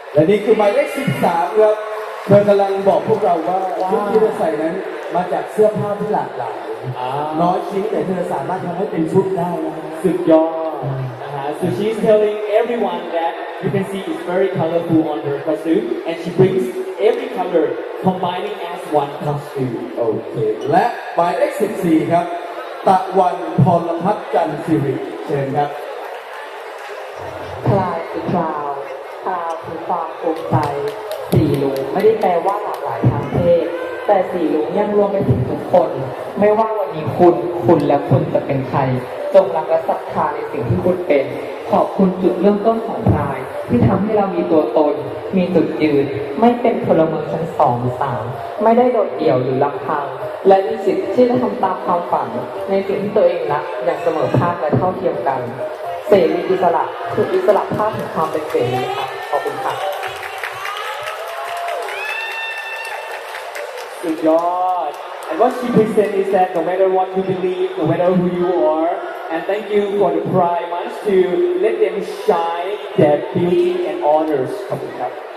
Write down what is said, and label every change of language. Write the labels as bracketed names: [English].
[Thai] นี่คือหมายเลข13ครับเธอกำลังบอกพวกเราว่าชุดที่เธอใส่นั้นมาจากเสื้อผ้าที่หลากหลายน้อยชิ้นแต่เธอสามารถทำให้เป็นชุดได้ สุดยอดนะฮะ [English] so she's telling everyone that you can see it's very colorful on her costume and she brings every color combining as one costume [Thai] โอเคและหมายเลข14ครับตะวันพรพัฒน์จันทร์สิริเชิญครับ คลายคลาวตาคือความภูมิใจสีลุงไม่ได้แปลว่าหลากหลายทางเพศแต่สีลุงยังรวมไปถึงทุกคนไม่ว่าวันนี้ คุณและคุณจะเป็นใครจงรักและศรัทธาในสิ่งที่คุณเป็นขอบคุณจุดเริ่มต้นของพรายที่ทำให้เรามีตัวตนมีจุดยืนไม่เป็นพลเมืองชั้น2หรือ3ไม่ได้โดดเดี่ยวหรือลำพังและมีสิทธิ์ที่จะทำตามความฝันในสิ่งที่ตัวเองรักอย่างเสมอภาคและเท่าเทียมกันเสรีอิสระคืออิสระภาพของความเป็นเสรีขอบคุณค่ะ สุดยอด [English] and what she present is that no matter what you believe no matter who you are and thank you for the pride much to let them shine their beauty and honors [Thai] ขอบคุณครับ